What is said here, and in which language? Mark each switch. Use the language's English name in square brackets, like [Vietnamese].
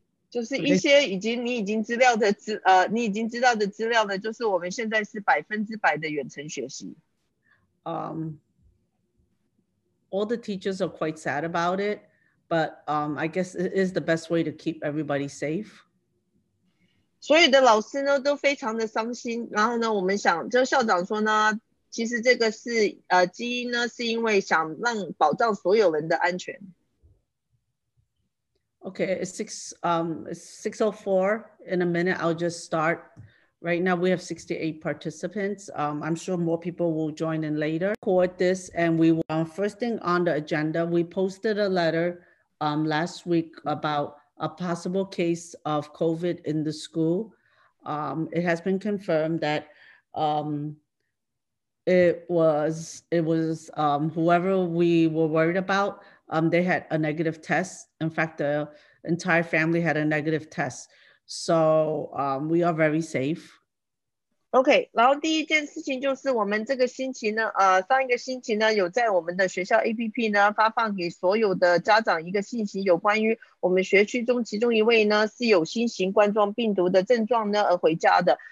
[Chinese] 就是一些已经你已经资料的资你已经知道的资料呢，就是我们现在是100%的远程学习。 [English] All the teachers are quite sad about it, but I guess it is the best way to keep everybody safe. [Chinese] 所有的老师呢都非常的伤心，然后呢，我们想，就校长说呢，其实这个是基因呢，是因为想让保障所有人的安全。 [English] Okay, it's 6:04. In a minute, I'll just start. Right now, we have 68 participants. I'm sure more people will join in later. Record this, and we will. First thing on the agenda, we posted a letter last week about a possible case of COVID in the school. It has been confirmed that it was whoever we were worried about. They had a negative test. In fact, the entire family had a negative test. So we are very safe. [Chinese] OK, 然后第一件事情就是我们这个星期呢上一个星期呢有在我们的学校 APP 呢发放给所有的家长一个信息，有关于我们学区中其中一位呢是有新型冠状病毒的症状呢而回家的。